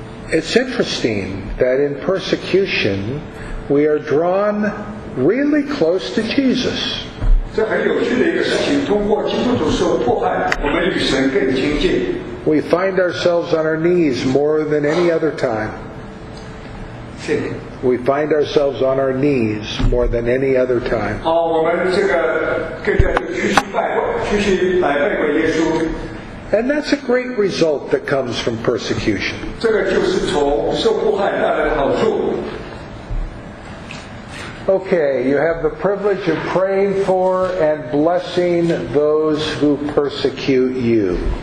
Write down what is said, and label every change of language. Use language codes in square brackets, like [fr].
[en] It's interesting that in persecution, we are drawn really close to Jesus. [zh] 这很有趣的一个事情，通过基督徒受迫害，我们与神更亲近。 [en] We find ourselves on our knees more than any other time. We find ourselves on our knees more than any other time. [zh] 好，我们这个更加屈膝拜跪，屈膝来拜跪耶稣。 [en] And that's a great result that comes from persecution. [zh] 这个就是从受迫害带来的好处。 [en] Okay, you have the privilege of praying for and blessing those who persecute you.